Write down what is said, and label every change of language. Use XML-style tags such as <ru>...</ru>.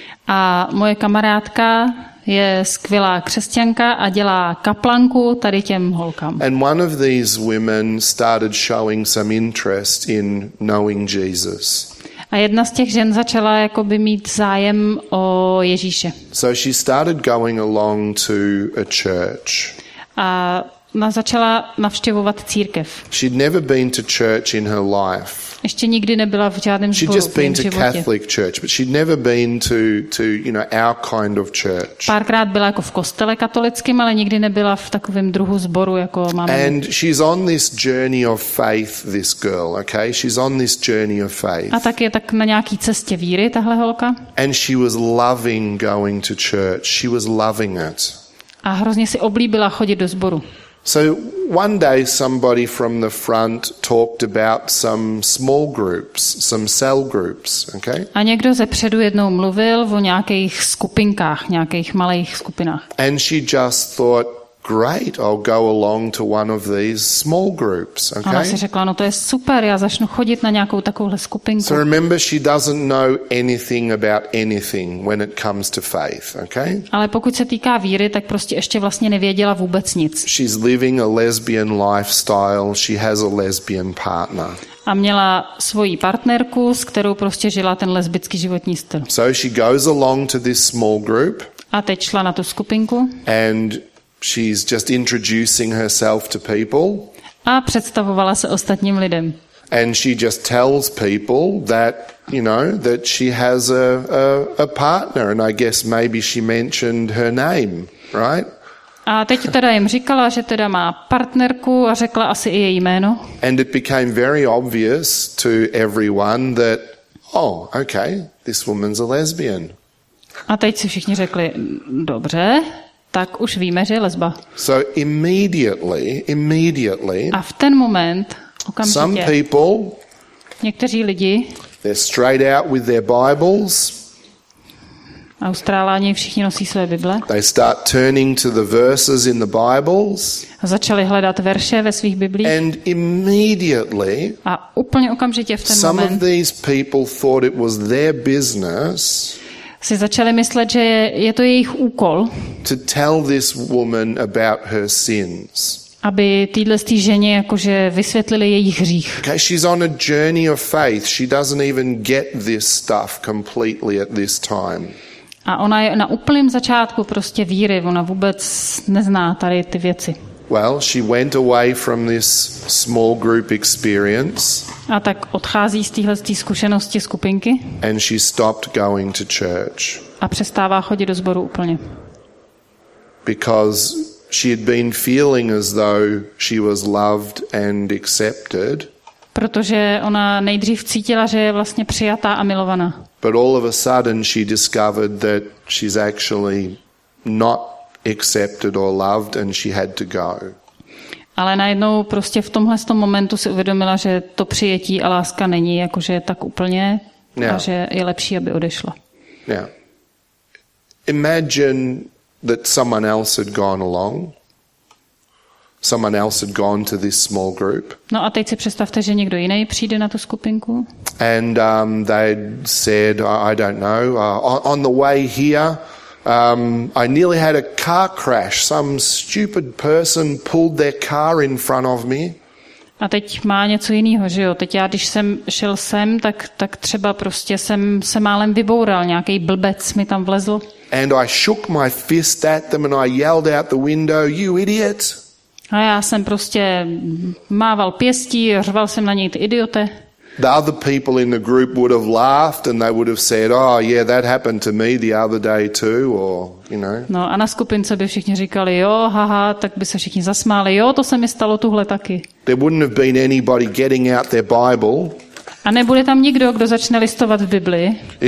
<cs>A moje kamarádka je skvělá křesťanka a dělá kaplanku tady těm holkám.</cs> <en>And one of these women started showing some interest in knowing Jesus.</en> <cs>A jedna z těch žen začala jakoby mít zájem o Ježíše.</cs> <en>So she started going along to a church.</en> <cs>A ona začala navštěvovat církev.</cs> <en>She'd never been to church in her life.</en> <cs>Ještě nikdy nebyla v žádném sboru.</cs> <en>She'd just been to Catholic church, but she'd never been to you know our kind of church.</en> <cs>Párkrát byla jako v kostele katolickém, ale nikdy nebyla v takovém druhu sboru jako máme.</cs> <en>And she's on this journey of faith, this girl, okay? She's on this journey of faith.</en> <cs>A tak je tak na nějaký cestě víry tahle holka?</cs> <en>And she was loving going to church. She was loving it.</en> <cs>A hrozně si oblíbila chodit do sboru.</cs> <en>So one day somebody from the front talked about some small groups, some cell groups, okay?</en> <cs>A někdo zepředu jednou mluvil o nějakých skupinkách, nějakých malých skupinách.</cs> <en>And she just thought, great, I'll go along to one of these small groups, okay?</en> <cs>A ona si řekla, no to je super, já začnu chodit na nějakou takovouhle skupinku.</cs> <en>So remember, she doesn't know anything about anything when it comes to faith, okay?</en> <cs>Ale pokud se týká víry, tak prostě ještě vlastně nevěděla vůbec nic.</cs> <en>She's living a lesbian lifestyle, she has a lesbian partner.</en> <cs>A měla svoji partnerku, s kterou prostě žila ten lesbický životní styl.</cs> <en>So she goes along to this small group.</en> <cs>A teď šla na tu skupinku.</cs> <en>And she's just introducing herself to people.</en> <cs>A představovala se ostatním lidem.</cs> <en>And she just tells people that, you know, that she has a partner and I guess maybe she mentioned her name, right?</en> <cs>A teď teda jim říkala, že teda má partnerku a řekla asi i její jméno.</cs> <en>And it became very obvious to everyone that oh, okay, this woman's a lesbian.</en> <cs>A teď si všichni řekli, dobře. Tak už víme, že je lesba.</cs> <en>So immediately,</en> <cs>a v ten moment, okamžitě,</cs> <en>some people</en> <cs>někteří lidi.</cs> <en>They're straight out with their Bibles.</en> <cs>Austráláni všichni nosí své Bible.</cs> <en>They start turning to the verses in the Bibles.</en> <cs>A začali hledat verše ve svých Bibliích.</cs> <en>And immediately.</en> <cs>A úplně okamžitě v ten</cs> <en>some</en> <cs>moment.</cs> <en>Some of these people thought it was their business.</en> <cs>Si začali myslet, že je to jejich úkol.</cs> <en>To tell this woman about her sins.</en> <cs>Aby týhle z té ženě jakože vysvětlili její hřích.</cs> <en>Okay, she's on a journey of faith. She doesn't even get this stuff completely at this time.</en> <cs>A ona je na úplném začátku prostě víry. Ona vůbec nezná tady ty věci.</cs> <en>Well, she went away from this small group experience.</en> <cs>A tak odchází z téhle zkušenosti skupinky.</cs> <en>And she stopped going to church.</en> <cs>A přestává chodit do sboru úplně.</cs> <en>Because she had been feeling as though she was loved and accepted.</en> <cs>Protože ona nejdřív cítila, že je vlastně přijatá a milovaná.</cs> <en>But all of a sudden she discovered that she's actually not accepted or loved and she had to go.</en> <cs>Ale najednou prostě v tomhle tom momentu si uvědomila, že to přijetí a láska není jakože tak úplně a že je lepší, aby odešla.</cs> <en>Now, imagine that someone else had gone along. Someone else had gone to this small group.</en> <cs>No a teď si představte, že někdo jiný přijde na tu skupinku.</cs> <en>And they said, I don't know, on the way here, I nearly had a car crash. Some stupid person pulled their car in front of me.</en> <cs>A teď má něco jiného, že jo? Teď já, když jsem šel sem, tak třeba prostě jsem se málem vyboural, nějaký blbec mi tam vlezl.</cs> <en>And I shook my fist at them and I yelled out the window, you idiot.</en> <cs>A já jsem prostě mával pěstí, řval jsem na něj, ty idiote.</cs> <en>The other people in the group would have laughed and they would have said, oh yeah, that happened to me the other day too, or, you know.</en> <cs>No a na skupince by všichni říkali, jo, haha, tak by se všichni zasmáli, jo, to se mi stalo tuhle taky.</cs> <en>There wouldn't have been anybody getting out their Bible.</en> <cs>A nebude tam nikdo, kdo začne listovat v Biblii.</cs>